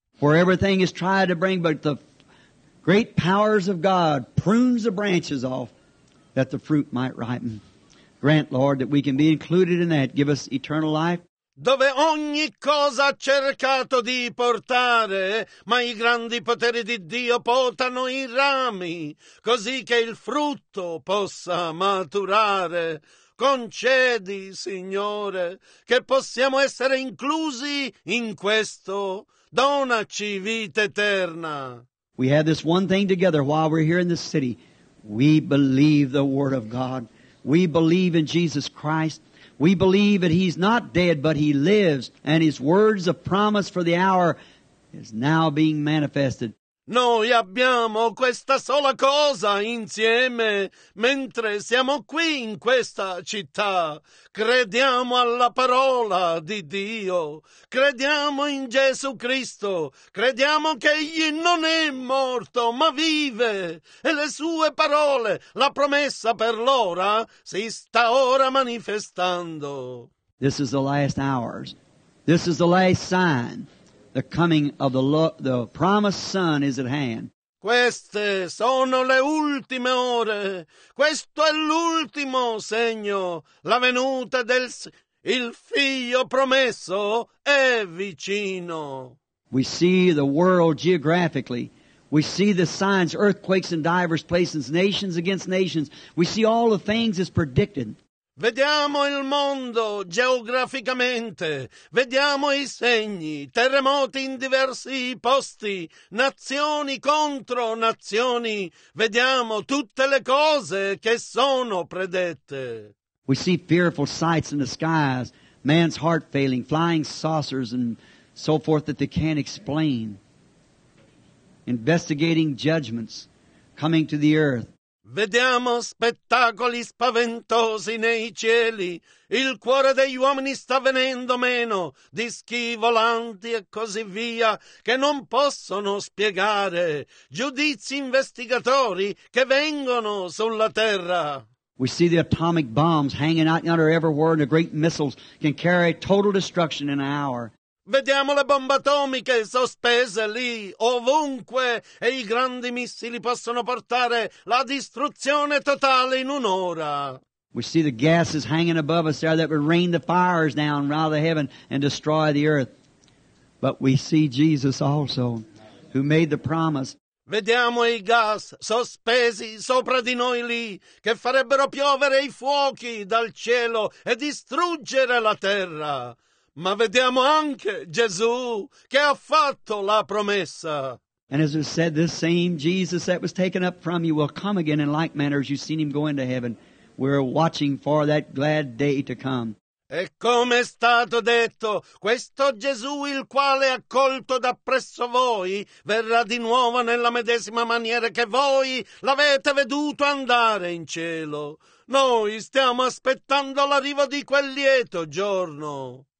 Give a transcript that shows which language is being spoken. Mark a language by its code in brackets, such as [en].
[en] For everything is tried to bring, but the great powers of God prunes the branches off that the fruit might ripen. Grant, Lord, that we can be included in that. Give us eternal life. [it] dove ogni cosa ha cercato di portare, ma i grandi poteri di Dio potano i rami, così che il frutto possa maturare. Concedi, Signore, che possiamo essere inclusi in questo. Donaci vita eterna. [en] We have this one thing together while we're here in this city. We believe the Word of God. We believe in Jesus Christ. We believe that He's not dead, but He lives, and His words of promise for the hour is now being manifested. [it] Noi abbiamo questa sola cosa insieme, mentre siamo qui in questa città. Crediamo alla parola di Dio, crediamo in Gesù Cristo, crediamo che Egli non è morto, ma vive, e le sue parole, la promessa per l'ora, si sta ora manifestando. [en] This is the last hours. This is the last sign. The coming of the promised Son is at hand. [it] Queste sono le ultime ore. Questo è l'ultimo segno. La venuta del il Figlio promesso è vicino. [en] We see the world geographically. We see the signs, earthquakes in diverse places, nations against nations. We see all the things as predicted. [it] Vediamo il mondo geograficamente, vediamo i segni, terremoti in diversi posti, nazioni contro nazioni, vediamo tutte le cose che sono predette. [en] We see fearful sights in the skies, man's heart failing, flying saucers and so forth that they can't explain, investigating judgments coming to the earth. [it] Vediamo spettacoli spaventosi nei cieli. Il cuore degli uomini sta venendo meno, dischi volanti e così via, che non possono spiegare. Giudizi investigatori che vengono sulla terra. [en] We see the atomic bombs hanging out yonder everywhere, and the great missiles can carry total destruction in an hour. [it] Vediamo le bombe atomiche sospese lì, ovunque, e i grandi missili possono portare la distruzione totale in un'ora. [en] We see the gases hanging above us there that would rain the fires down out of the heaven and destroy the earth. But we see Jesus also, who made the promise. [it] Vediamo i gas sospesi sopra di noi lì, che farebbero piovere i fuochi dal cielo e distruggere la terra. Ma vediamo anche Gesù che ha fatto la promessa. [en] And as it said, this same Jesus that was taken up from you will come again in like manner as you've seen him go into heaven. We're watching for that glad day to come. [it] E come è stato detto, questo Gesù il quale è accolto da presso voi verrà di nuovo nella medesima maniera che voi l'avete veduto andare in cielo. Noi stiamo aspettando l'arrivo di quel lieto giorno.